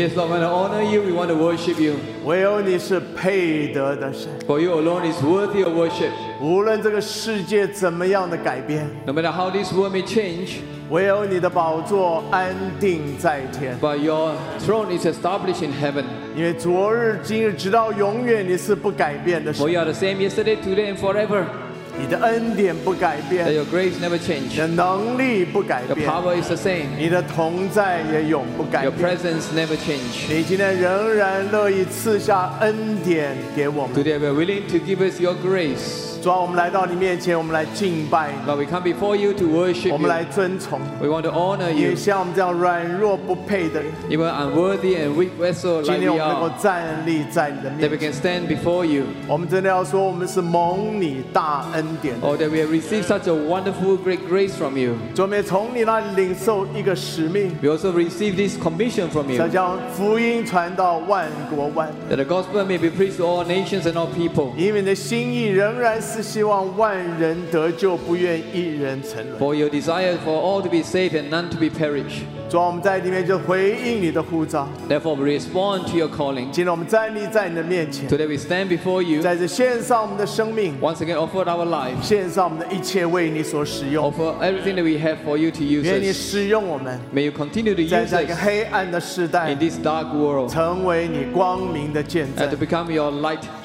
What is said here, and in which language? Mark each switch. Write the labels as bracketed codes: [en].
[en] Yes, Lord, we want to honor you. We want to worship you. [zh] 唯有你是配得的神。 [en] For you alone is worthy of worship. [zh] 无论这个世界怎么样的改变。 [en] No matter how this world may change. [zh] 唯有你的宝座安定在天。 [en] But your throne is established in heaven. [zh] 因为昨日、今日、直到永远，你是不改变的神。 [en] For you are the same yesterday, today, and forever. [zh] 你的恩典不改变 [en] Your grace never change. [zh] 你的能力不改变 [en] Your power is the same. [zh] 你的同在也永不改变 [en] Your presence never change. [zh] 你今天仍然乐意赐下恩典给我们 [en] Today we are willing to give us your grace. [zh] 主啊我们来到你面前我们来敬拜你 [en] But we come before you to worship you. [zh] 我们来尊崇 [en] We want to honor you. [zh] 也像我们这样软弱不配的人 [en] Even unworthy and weak vessel like we are. [zh] 今天我们能够站立在你的面前 [en] That we can stand before you. [zh] 我们真的要说我们是蒙你大恩 [en] Oh, that we have received such a wonderful great grace from you. [zh] 主我们从你那里领受一个使命 [en] We also receive this commission from you. [zh] 要将福音传到万国万 [en] That the gospel may be preached to all nations and all people. [zh] 因为你的心意仍然是希望万人得救，不愿一人沉沦 [en] For your desire for all to be saved and none to be perished. [zh] 主我们在里面就回应你的呼召 [en] Therefore we respond to your calling [zh] 今天我们站立在你的面前 [en] Today we stand before you [zh] 在这献上我们的生命 [en] Once again offer our life [zh] 献上我们的一切为你所使用 [en] Offer everything that we have for you to use us [zh] 愿你使用我们 [en] May you continue to use us [zh] 在这个黑暗的时代 [en] In this dark world [zh] 成为你光明的见证 [en] And to become your light testimony